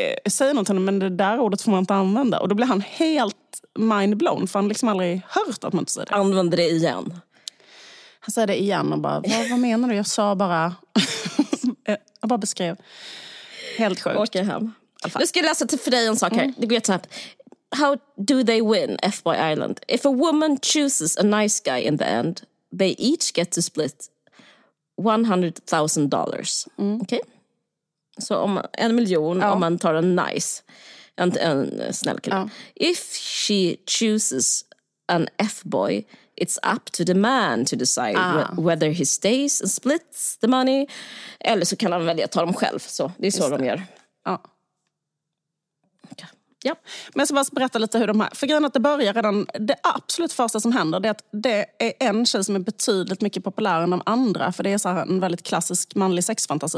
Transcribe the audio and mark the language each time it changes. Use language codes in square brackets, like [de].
[sv] säger någonting, men det där ordet får man inte använda. Och då blir han helt mindblown, för han liksom aldrig hört att man inte säger det. Använder det igen. Han säger det igen och bara, vad menar du? Jag sa bara... jag bara beskrev. Helt sjukt. Åker hem. Nu ska jag läsa till för dig en sak här. Mm. Det går jättesnabbt. [en] How do they win, Fboy Island? If a woman chooses a nice guy in the end, they each get to split $100,000. Mm. [sv] Okej? [en] Okay? [sv] Så om en miljon, ja, om man tar en nice, en snäll kille. Ja. [en] If she chooses an F-boy, it's up to the man to decide whether he stays and splits the money. [sv] Eller så kan han välja att ta dem själv. Så det är så de gör. Ja. Ja. Men jag ska bara berätta lite hur de här... För grejen att det börjar redan... Det absolut första som händer är att det är en tjej som är betydligt mycket populär än de andra. För det är så här en väldigt klassisk manlig sexfantasi.